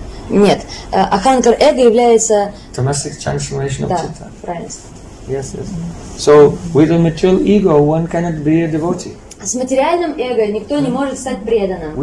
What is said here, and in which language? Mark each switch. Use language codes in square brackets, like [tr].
[ru] Нет, аханкар, эго, является [en] tamasic transformation of [ru] да, [en] chitta. [ru] Правильно. [en] Yes. So with a material ego, one cannot be a devotee. [ru] С материальным эго никто не может стать преданным.